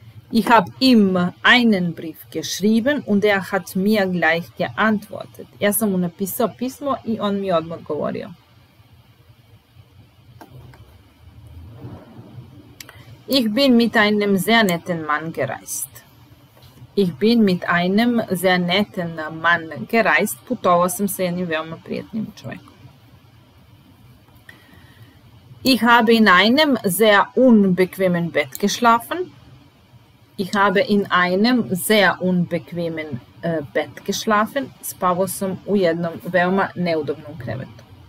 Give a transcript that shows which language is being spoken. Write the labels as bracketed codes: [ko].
[de] Ich habe ihm einen Brief geschrieben und er hat mir gleich geantwortet. [bs] Ja sam mu napisao pismo i on mi odmah govorio. [de] Ich bin mit einem sehr netten Mann gereist. Ich bin mit einem sehr netten Mann gereist. [bs] Putovao sam sa jednim veoma prijatnim čovjekom. [de] Ich habe in einem sehr unbequemen Bett geschlafen. Ich habe in einem sehr unbequemen Bett geschlafen. [bs] Spavao sam u jednom veoma neudobnom krevetu.